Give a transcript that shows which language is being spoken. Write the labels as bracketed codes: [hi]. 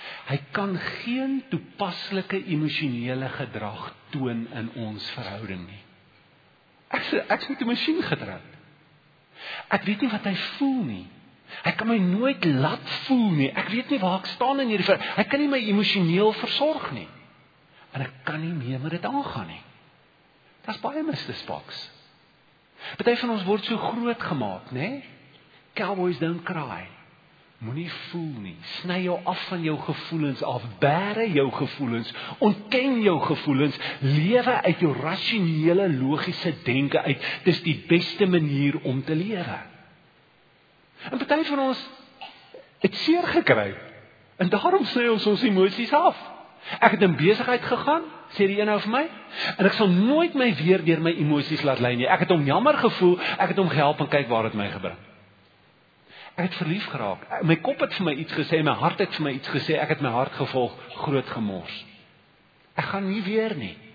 [af] Hy kan geen toepaslike emosionele gedrag toon in ons verhouding nie. Ek is met die masjien getroud. Ek weet nie wat hy voel nie. Hy kan my nooit laat voel nie. Ek weet nie waar ek staan in hierdie verhouding. Hy kan nie my emosioneel versorg nie. En ek kan nie meer met dit aangaan nie. Dit is baie misdispaks. Party van ons word so groot gemaak, nê? [en] Cowboys don't cry. [af] Moenie voel nie. Sny jou af van jou gevoelens af. Bære jou gevoelens. Ontken jou gevoelens. Lewe uit jou rationele, logiese denke uit. Dis die beste manier om te lewe. En partij van ons het seer gekry, en daarom sny ons emoties af. Ek het in besigheid gegaan, sê die ene vir my, en ek sal nooit my weer deur my emoties laat lei nie. Ek het hom jammer gevoel, ek het hom gehelp en kyk waar het my gebring. Ek het verlief geraak, my kop het vir my iets gesê, my hart het vir my iets gesê, ek het my hart gevolg, groot gemors. Ek gaan nie weer nie.